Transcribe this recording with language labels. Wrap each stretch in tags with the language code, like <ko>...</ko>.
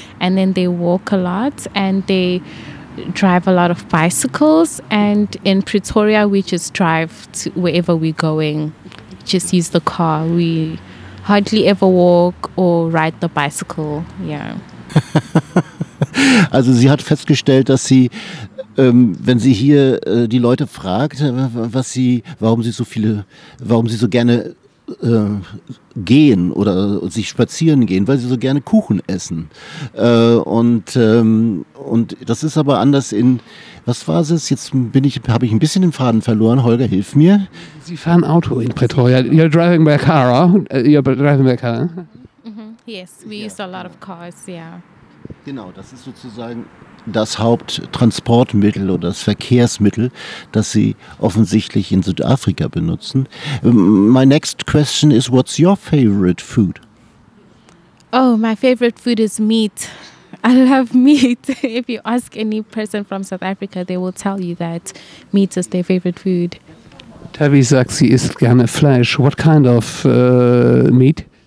<en>And then they walk a lot and they drive a lot of bicycles. And in Pretoria, we just drive to wherever we're going, just use the car. We hardly ever walk or ride the bicycle, yeah.</en> <de>Also sie hat festgestellt, dass sie, wenn sie hier die Leute fragt, was sie, warum sie so gerne gehen oder sich spazieren gehen, weil sie so gerne Kuchen essen. Und das ist aber anders in, was war es? Jetzt habe ich ein bisschen den Faden verloren. Holger, hilf mir. Sie fahren Auto in Pretoria.</de> <en>You're driving by a car, right? You're driving by a car. Yes, we use a lot of cars, yeah.</en> <de>Genau, das ist sozusagen das Haupttransportmittel oder das Verkehrsmittel, das Sie offensichtlich in Südafrika benutzen.</de> <en>My next question is, what's your favorite food? Oh, my favorite food is meat. I love meat. If you ask any person from South Africa, they will tell you that meat is their favorite food.</en> <de>Tavi sagt, sie isst gerne Fleisch.</de> <en>What kind of meat?</en>